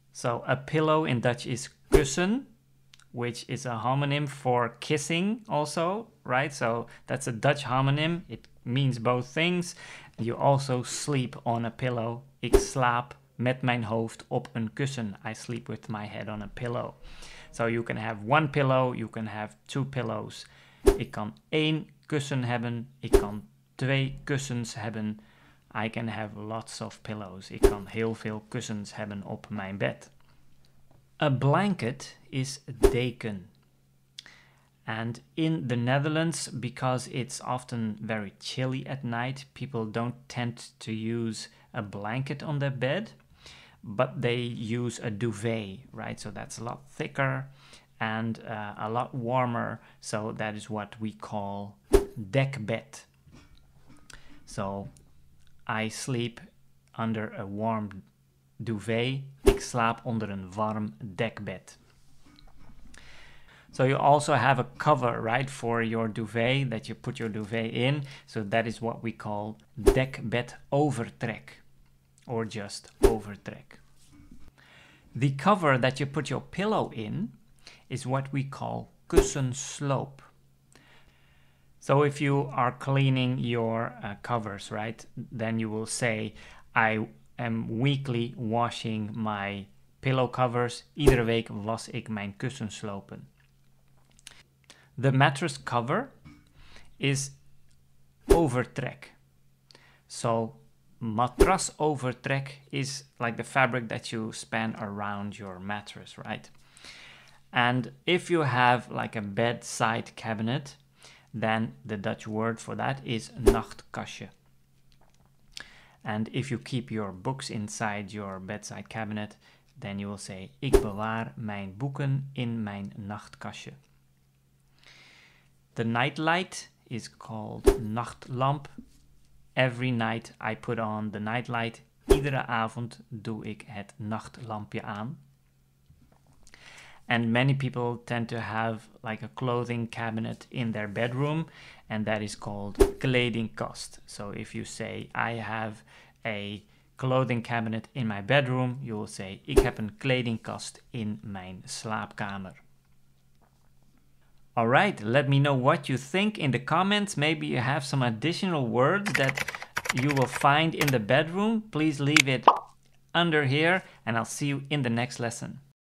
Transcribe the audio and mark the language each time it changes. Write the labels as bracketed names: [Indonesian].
[English] So a pillow in Dutch is kussen, which is a homonym for kissing also, right? So that's a Dutch homonym. It means both things. You also sleep on a pillow. [Dutch] Ik slaap met mijn hoofd op een kussen. [English] I sleep with my head on a pillow. So you can have one pillow, you can have two pillows. [Dutch] Ik kan één kussen hebben. Ik kan twee kussens hebben. [English] I can have lots of pillows. [Dutch] Ik kan heel veel kussens hebben op mijn bed. [English] A blanket is deken. And in the Netherlands, because it's often very chilly at night, people don't tend to use a blanket on their bed, but they use a duvet, right? So that's a lot thicker and a lot warmer. So that is what we call dekbed. So I sleep under a warm duvet. [Dutch] Ik slaap onder een warm dekbed. [English] So you also have a cover, right, for your duvet that you put your duvet in. So that is what we call dekbed overtrek, or just overtrek. The cover that you put your pillow in is what we call kussensloop. So if you are cleaning your covers, right, then you will say, I am weekly washing my pillow covers. [Dutch] Iedere week was ik mijn kussenslopen. [English] The mattress cover is overtrek. So matras overtrek is like the fabric that you span around your mattress, right? And if you have like a bedside cabinet, then the Dutch word for that is nachtkastje. And if you keep your books inside your bedside cabinet, then you will say [Dutch] ik bewaar mijn boeken in mijn nachtkastje. [English] The nightlight is called nachtlamp. Every night I put on the nightlight. [Dutch] Iedere avond doe ik het nachtlampje aan. [English] And many people tend to have like a clothing cabinet in their bedroom, and that is called kledingkast. So if you say I have a clothing cabinet in my bedroom, you will say [Dutch] ik heb een kledingkast in mijn slaapkamer. [English] All right, let me know what you think in the comments. Maybe you have some additional words that you will find in the bedroom. Please leave it under here, and I'll see you in the next lesson.